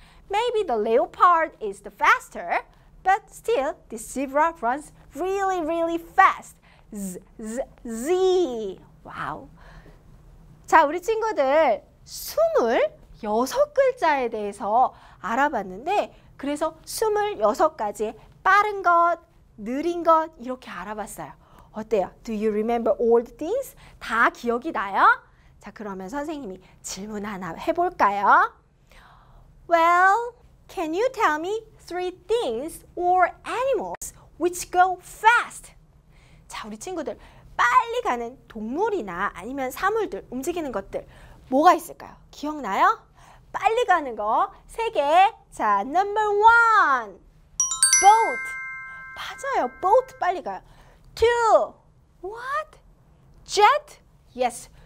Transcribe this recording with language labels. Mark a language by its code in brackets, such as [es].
[en] Maybe the leopard is the faster, but still, this zebra runs really, really fast. Z. Wow. [ko] 자, 우리 친구들, 26글자에 대해서 알아봤는데, 그래서 26가지 빠른 것, 느린 것, 이렇게 알아봤어요. 어때요? [en] Do you remember all the things? [ko] 다 기억이 나요? 자, 그러면 선생님이 질문 하나 해볼까요? [en] Well, can you tell me three things or animals which go fast? [ko] 자, 우리 친구들, 빨리 가는 동물이나 아니면 사물들, 움직이는 것들 뭐가 있을까요? 기억나요? 빨리 가는 거 세 개. 자, [en] number one, boat. [ko] 맞아요, [en] boat [ko] 빨리 가요. [en] Two, what? Jet? Yes,